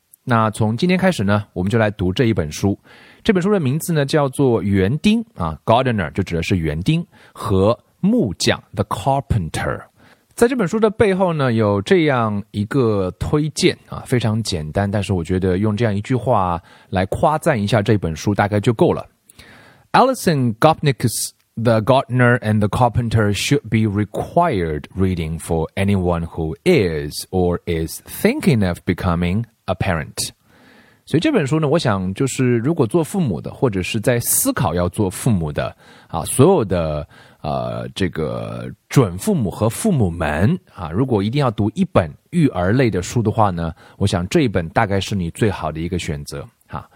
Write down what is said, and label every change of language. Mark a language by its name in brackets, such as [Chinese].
[Chinese] 那从今天开始呢，我们就来读这一本书。这本书的名字呢叫做园丁啊， Gardener 就指的是园丁，和木匠 The Carpenter。在这本书的背后呢，有这样一个推荐啊，非常简单，但是我觉得用这样一句话来夸赞一下这本书大概就够了。 [English] Alison Gopnik's The Gardener and the Carpenter should be required reading for anyone who is or is thinking of becoming a parent。 [Chinese] 所以这本书呢，我想就是如果做父母的，或者是在思考要做父母的啊，所有的这个准父母和父母们啊，如果一定要读一本育儿类的书的话呢，我想这一本大概是你最好的一个选择啊。